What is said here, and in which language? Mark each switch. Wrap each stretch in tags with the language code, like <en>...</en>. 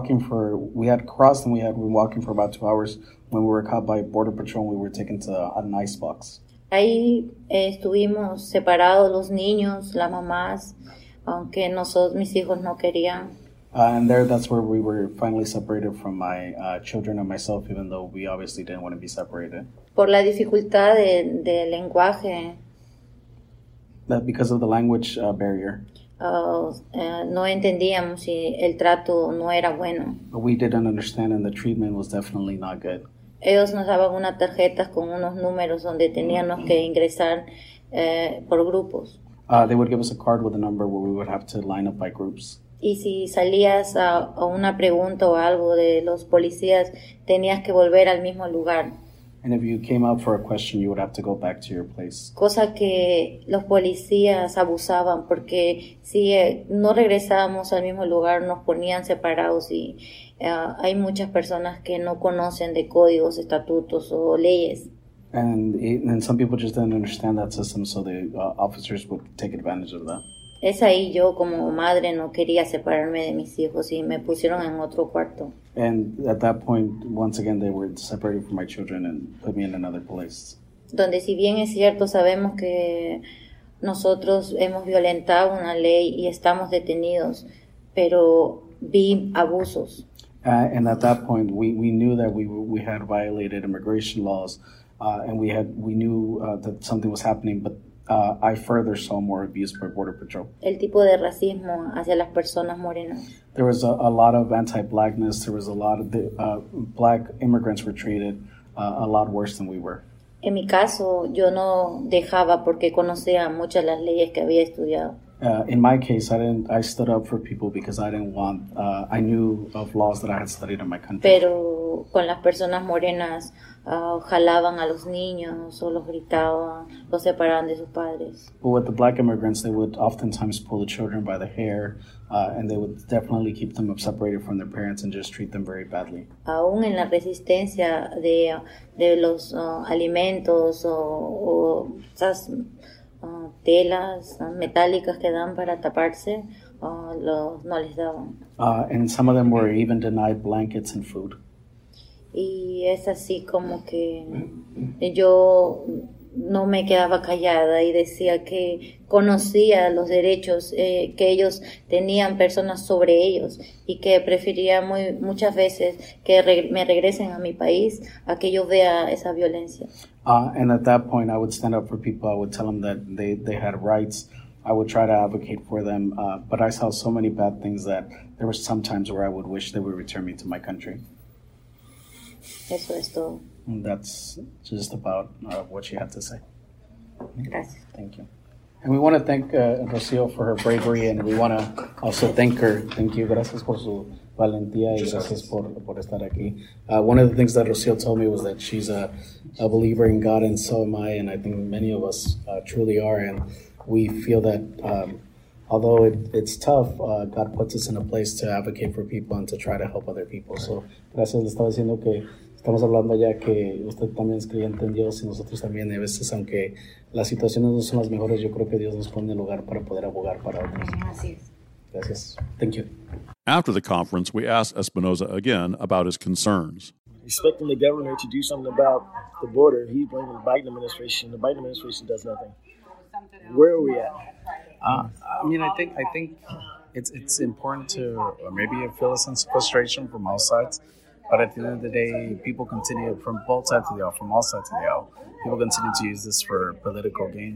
<en>We had crossed and we had been walking for about 2 hours when we were caught by Border Patrol and we were taken to an icebox.</en> <es>Ahí estuvimos separados los niños, las mamás, aunque nosotros, mis hijos no querían.</es> <en>And there, that's where we were finally separated from my children and myself, even though we obviously didn't want to be separated.</en> <es>Por la dificultad de lenguaje.</es> <en>Because of the language barrier.</en> <es>No entendíamos si el trato no era bueno.</es> <en>But we didn't understand, and the treatment was definitely not good.</en> <es>Ellos nos daban unas tarjetas con unos números donde teníamos que ingresar por grupos.</es> <en>They would give us a card with a number where we would have to line up by groups.</en> <es>Y si salías a una pregunta o algo de los policías, tenías que volver al mismo lugar.</es> <en>And if you came out for a question, you would have to go back to your place.</en> <es>Cosa que los policías abusaban, porque si no regresábamos al mismo lugar, nos ponían separados. Y hay muchas personas que no conocen de códigos, estatutos o leyes.</es> <en>And some people just didn't understand that system, so the officers would take advantage of that.</en> <es>Es ahí yo como madre no quería separarme de mis hijos y me pusieron en otro cuarto.</es> <en>And at that point, once again, they were separated from my children and put me in another place.</en> <es>Donde si bien es cierto, sabemos que nosotros hemos violentado una ley y estamos detenidos, pero vi abusos.</es> <en>And at that point, we knew that we had violated immigration laws, and we knew that something was happening, but I further saw more abuse by Border Patrol.</en> <es>El tipo de racismo hacia las personas morenas.</es> <en>There was a lot of anti-blackness. There was a lot of black immigrants were treated a lot worse than we were.</en> <es>En mi caso, yo no dejaba porque conocía muchas las leyes que había estudiado.</es> <en>In my case, I stood up for people because I didn't want. I knew of laws that I had studied in my country.</en> <es>Pero con las personas morenas. Jalaban a los niños o los gritaban, los separaban de sus padres.</es> <en>But with the black immigrants, they would oftentimes pull the children by the hair, and they would definitely keep them separated from their parents and just treat them very badly.</en> <es>Aún en la resistencia de los alimentos o esas telas metálicas que dan para taparse, no les daban.</es> <en>And some of them were even denied blankets and food.</en> <es>Y es así como que yo no me quedaba callada y decía que conocía los derechos que ellos tenían personas sobre ellos y que preferiría muchas veces que me regresen a mi país a que yo vea esa violencia.</es> <en>And at that point I would stand up for people, I would tell them that they had rights, I would try to advocate for them, but I saw so many bad things that there were some times where I would wish they would return me to my country.</en> <es>Eso es todo.</es> <en>That's just about what she had to say.</en> <es>Gracias.</es> <en>Thank you. And we want to thank Rocío for her bravery, and we want to also thank her. Thank you.</en> <es>Gracias por su valentía y gracias por estar aquí.</es> <en>One of the things that Rocío told me was that she's a believer in God, and so am I, and I think many of us truly are. And we feel that although it's tough, God puts us in a place to advocate for people and to try to help other people. So,</en> <es>gracias. Le estaba diciendo que estamos hablando ya que usted también es creyente en Dios y nosotros también. Y a veces, aunque las situaciones no son las mejores, yo creo que Dios nos pone en lugar para poder abogar para otros. Así es. Gracias.</es> <en>Thank you. After the conference, we asked Espinoza again about his concerns. Expecting the governor to do something about the border, he blamed the Biden administration. The Biden administration does nothing. Where are we at? I think it's important to maybe feel a sense of frustration from all sides, but at the end of the day, people continue from both sides of the aisle, from all sides of the aisle, people continue to use this for political gain.</en>